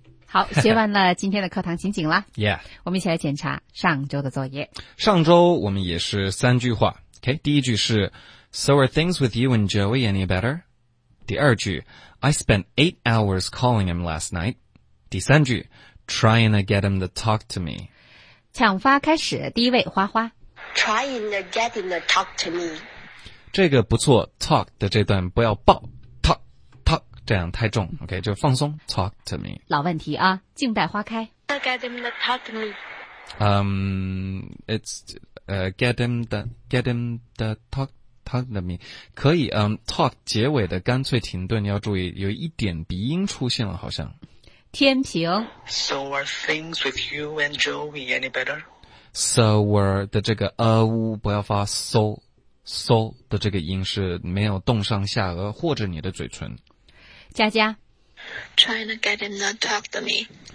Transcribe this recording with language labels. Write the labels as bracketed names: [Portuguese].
[Chinese] 好，学完了今天的课堂情景了。 [English] Yeah. [Chinese] 我们一起来检查上周的作业。上周我们也是三句话。 [English] Okay, [Chinese] 第一句是 [English] So are things with you and Joey any better? [Chinese] 第二句 [English] I spent 8 hours calling him last night. [Chinese] 第三句 [English] Trying to get him to talk to me. [Chinese] 抢发开始，第一位花花。 [English] Trying to get him to talk to me. [Chinese] 这个不错 ,talk 的这段不要爆 ,talk, 这样太重 ,OK, 就放松 ,talk to me. 老问题啊，静待花开。 [English] Get him to talk to me. [Chinese] 可以talk 结尾的干脆停顿要注意有一点鼻音出现了好像。天平。 [English] So are things with you and Joey any better? [Chinese] So were 的这个不要发 so 的这个音是没有动上下颚或者你的嘴唇。佳佳 [English] ，trying to get him to talk to me.